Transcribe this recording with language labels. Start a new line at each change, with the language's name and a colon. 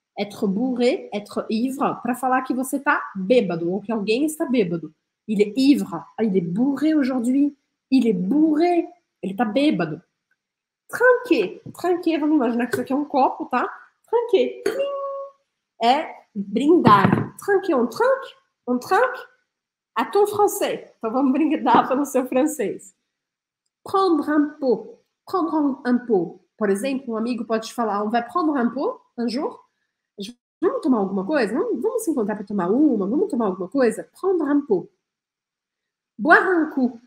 Portuguese: Être bourré, être ivre, para falar que você está bêbado ou que alguém está bêbado.
French: Il est ivre, il est bourré aujourd'hui, il est bourré,
Portuguese: ele está bêbado. Trinqué, trinqué, vamos imaginar que isso aqui é um copo, tá? Trinqué, é brindar.
French: Trinqué, on trinque, à ton français.
Portuguese: Então vamos brindar pelo seu francês. Prendre un pot. Prendre un pot. Por exemplo, um amigo pode te falar,
French: on va prendre un pot un jour?
Portuguese: Vamos tomar alguma coisa? Vamos se encontrar para tomar uma? Vamos tomar alguma coisa? Prendre un pot. Boire un coup.